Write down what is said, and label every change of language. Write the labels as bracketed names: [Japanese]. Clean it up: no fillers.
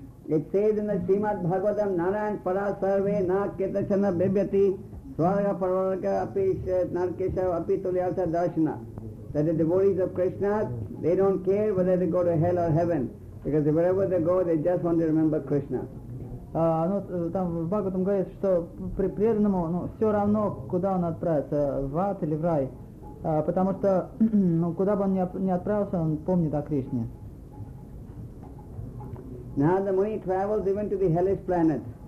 [English] It says in the Srimad Bhagavatam, [Sanskrit] Narayan Para Sarve Na Ketachana Bibhyati Swarga Parvarga Apish Narkesha Apitulyasa Darshana. [English] That the devotees of Krishna, they don't care whether they go to hell or heaven. Because wherever they go, they just want to remember Krishna. [Russian] Ну, там в Бхагаватам говорится, что преданному, ну, все равно, куда он отправится, в ад или в рай. Потому что, ну, куда бы он ни отправился, он помнит о Кришне. [English] Narada Muni travels even to the hellish planet.